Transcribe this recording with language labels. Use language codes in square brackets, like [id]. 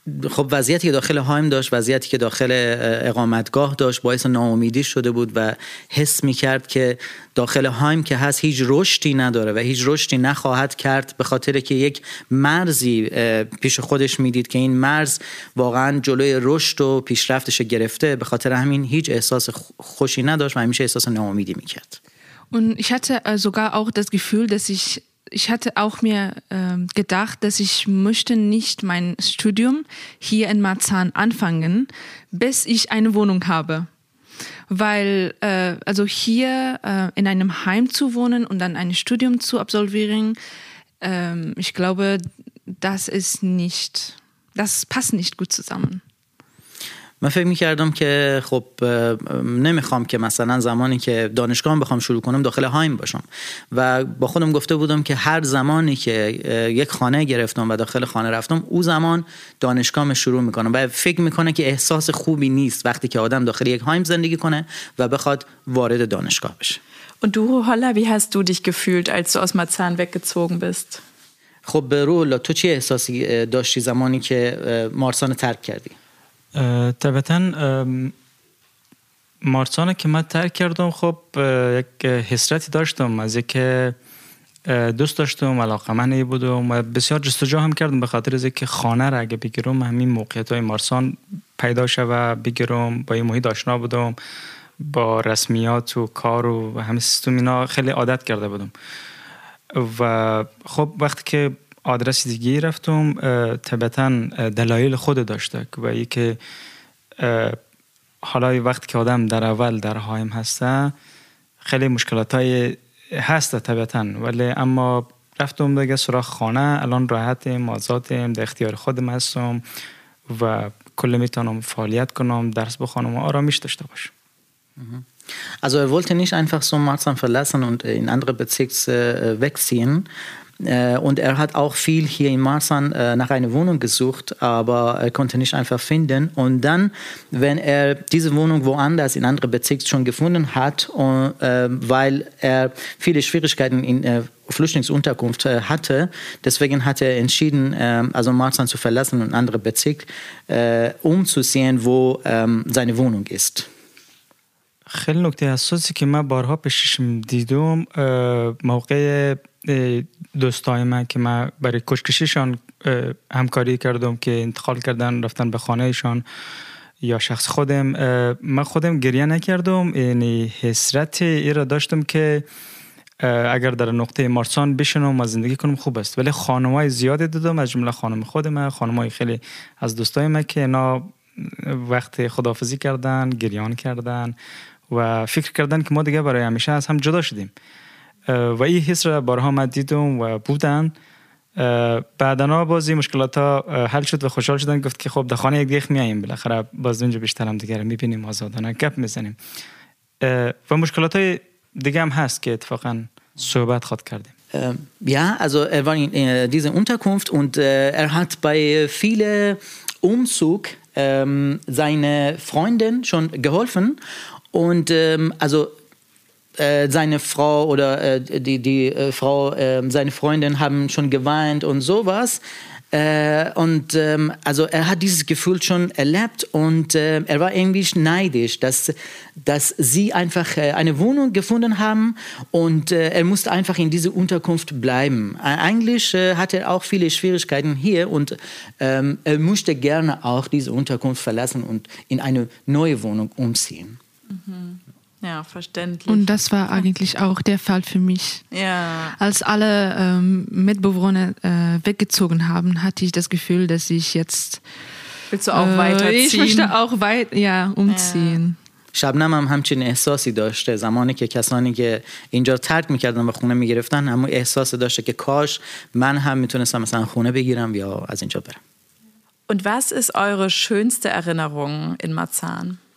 [fa] خب وضعیتی که داخل هایم داشت، وضعیتی که داخل اقامتگاه داشت، باعث ناامیدی شده بود و حس می کرد که داخل هایم که هست هیچ رشدی نداره و هیچ رشدی نخواهد کرد، به خاطر که یک مرزی پیش خودش می دید که این مرز واقعا جلوی رشد و پیشرفتش گرفته، به خاطر همین هیچ احساس خوشی نداشت و همیشه احساس ناامیدی می کرد. [de] Und ich hatte sogar auch das Gefühl, dass ich hatte auch mir gedacht, dass ich möchte nicht mein Studium hier in Marzahn anfangen, bis ich eine Wohnung habe. Weil also hier in einem Heim zu wohnen und dann ein Studium zu absolvieren, ich glaube, das passt nicht gut zusammen. [fa] من فکر میکردم که خب نمیخوام که مثلا زمانی که دانشگاه بخوام شروع کنم داخل هایم باشم و با خودم گفته بودم که هر زمانی که یک خانه گرفتم و داخل خانه رفتم او زمان دانشگاه شروع میکنم و فکر میکنه که احساس خوبی نیست وقتی که آدم داخل یک هایم زندگی کنه و بخواد وارد دانشگاه بشه. [de] Und du Holla, wie hast du dich gefühlt, als du aus Marzahn weggezogen bist? [fa] خب روح الله، تو چه احساسی داشتی زمانی که مارتان ترک کردی؟ طبعاً مارتان که من ترک کردم، خب یک حسرتی داشتم از اینکه دوست داشتم، علاقه من ای بودم و بسیار جستجو هم کردم به خاطر از اینکه خانه را اگه بگیرم همین موقعیت های مارتان پیدا شد و بگیرم، با این محیط آشنا بودم، با رسمیات و کار و همه سیستم اینا خیلی عادت کرده بودم و خب وقتی که آدرس دیگه رفتم طبعاً دلایل خود داشته و ای که حالا وقت که آدم در اول در هایم هسته خیلی مشکلات های هسته طبعاً، ولی اما رفتم دیگه سراغ خانه، الان راحتیم، آزادیم، در اختیار خودم هستم و کل میتونم فعالیت کنم، درس بخونم و آرامش داشته باشم. [de] Also er wollte nicht einfach so Marzahn verlassen und in andere Bezirks wegziehen. Und er hat auch viel hier in Marzahn nach einer Wohnung gesucht, aber er konnte nicht einfach finden. Und dann, wenn er diese Wohnung woanders in anderen Bezirks schon gefunden hat, weil er viele Schwierigkeiten in Flüchtlingsunterkunft hatte, deswegen hat er entschieden, also Marzahn zu verlassen und andere Bezirk umzusehen, wo seine Wohnung ist. [fa] خیلی نکته حساسی که من بارها پیششم دیدم موقع دوستای من که من برای کشکشیشان همکاری کردم که انتقال کردن رفتن به خانهشان یا شخص خودم، من خودم گریه نکردم، یعنی حسرت ای را داشتم که اگر در نقطه مارتان بشنم و زندگی کنم خوب است، ولی خانمای زیادی دیدم از جمله خانم خودم، خانمای خیلی از دوستای من که اینا وقت خداحافظی کردن، گریان کردن و فکر کردن که ما دیگه برای همیشه از هم جدا شدیم و این حس را بارها من دیدم و بودن. بعدنا بازی مشکلات ها حل شد و خوشحال شدن، گفت که خب در خانه یک دیگه میاییم بالاخره، باز اونجا بیشتر هم دیگه را میبینیم، آزادانه گپ میزنیم و مشکلات های دیگه هم هست که اتفاقا صحبت خواد کردیم. [de] Ja, also er war in dieser Unterkunft und er hat bei vielen Umzug seine Freundin schon geholfen und also seine Frau oder die Frau, seine Freundin haben schon geweint und sowas. Und also er hat dieses Gefühl schon erlebt und er war irgendwie neidisch, dass sie einfach eine Wohnung gefunden haben und er musste einfach in diese Unterkunft bleiben. Eigentlich hat er auch viele Schwierigkeiten hier und er möchte gerne auch diese Unterkunft verlassen und in eine neue Wohnung umziehen. Mhm. Ja, verständlich. Und das war eigentlich auch der Fall für mich. Ja. Als alle Mitbewohner weggezogen haben, hatte ich das Gefühl, dass ich jetzt... Willst du auch weiterziehen? Ich möchte auch umziehen. Ja. [fa] شبنم هم همچین احساسی داشته زمانی که کسانی که اینجا ترک میکردن و خونه میگرفتن همون احساس داشته که کاش من هم میتونستم مثلا خونه بگیرم یا از اینجا برم. [de] Und was ist eure schönste Erinnerung in Marzahn?